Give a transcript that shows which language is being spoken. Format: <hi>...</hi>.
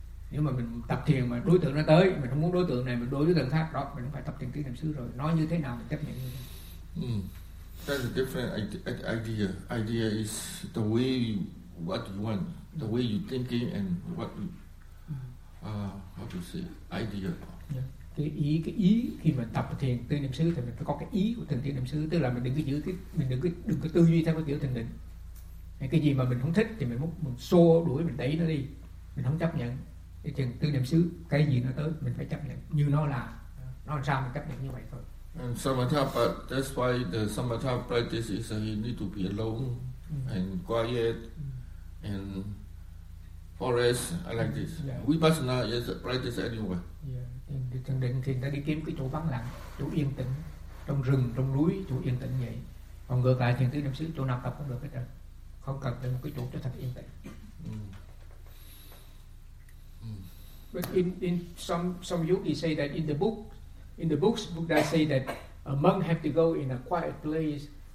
<vi>Nếu mà mình tập thiền mà đối tượng nó tới, mình không muốn đối tượng này, mình đối tượng khác đó, mình không phải tập thiền tứ niệm xứ rồi. Nói như thế nào mình chấp nhận như thế.</vi> <en>That's a different idea. Idea is the way you, what you want, the way you thinking and what you, how to say, idea.</en> <vi>Cái ý khi mà tập thiền tứ niệm xứ thì mình phải có cái ý của thiền tứ niệm xứ, tức là mình đừng có giữ cái, mình đừng có tư duy theo cái kiểu thiền định. Cái gì mà mình không thích thì mình xô đuổi, mình đẩy nó đi, mình không chấp nhận. Cái chừng tư niệm xứ, cái gì nó tới mình phải chấp nhận như nó là, nó làm sao mình chấp nhận như vậy thôi.</vi> <en>And samatha, but that's why the samatha practice is he need to be alone and quiet and forest like this. Vipassana is a practice anywhere.</en> <vi>Yeah, thiền định thì ta đi kiếm cái chỗ vắng lặng, chỗ yên tĩnh, trong rừng, trong núi, chỗ yên tĩnh vậy. Còn ngược lại thiền tư niệm xứ, chỗ nào tập cũng được hết trơn, không cần tìm cái chỗ cho thật yên tĩnh.</vi> <en>But in some yogis say that in the books Buddha say that a monk have to go in a quiet place.</en>